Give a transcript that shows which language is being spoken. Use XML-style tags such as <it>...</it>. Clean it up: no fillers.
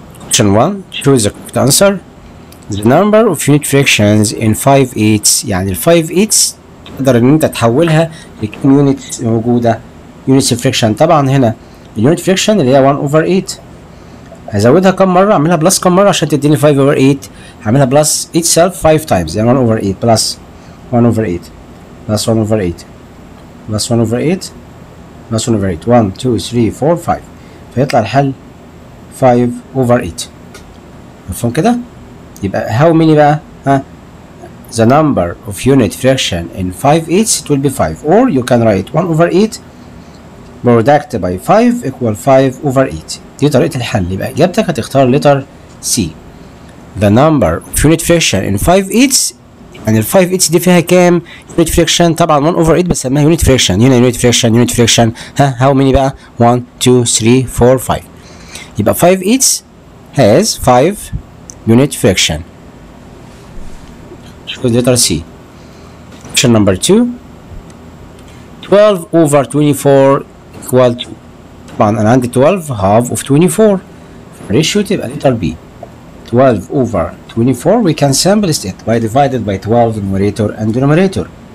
<en>Question 1: Choose the correct answer. The number of unit fractions in 5/8.</en> <ar>يعني ال 5/8 تقدر ان انت تحولها لكم يونت موجوده؟ يونت فريكشن طبعا هنا اليونت فريكشن اللي هي 1 اوفر 8، ازودها كم مره؟ اعملها بلس كم مره عشان تديني 5 اوفر 8؟ هعملها بلس itself 5 تايمز، يعني 1 اوفر 8 بلس 1 اوفر 8 بلس 1 اوفر 8 بلس 1 اوفر 8 بلس 1 اوفر 8 1 2 3 4 5، فيطلع الحل 5 اوفر 8. مفهوم كده؟ يبقى هاو ميني بقى؟ ها؟</ar> <en>The number of unit fraction in 5/8 it will be 5, or you can write 1 over 8 product by 5 equal 5 over 8.</en> <ar>دي طريقة الحل. يبقى إجابتك هتختار letter C.</ar> <en>The number of unit fraction in 5/8 and the 5/8</en> <ar>دي فيها كام</ar> <en>unit fraction؟</en> <ar>طبعا</ar> <en>1 over 8</en> <ar>بس سماها</ar> <en>unit fraction. هنا unit fraction unit fraction. ها how many بقى؟ 1 2 3 4 5. يبقى 5/8 has 5 unit fraction. Choose letter C. Option number 2. 12/24 = 2.</en> <ar>طبعا انا عندي</ar> <en>12 half of 24. Ratio</en> <ar>تبقى</ar> <en>letter B. 12/24 we can simply state by divided by 12 numerator and denominator.</en>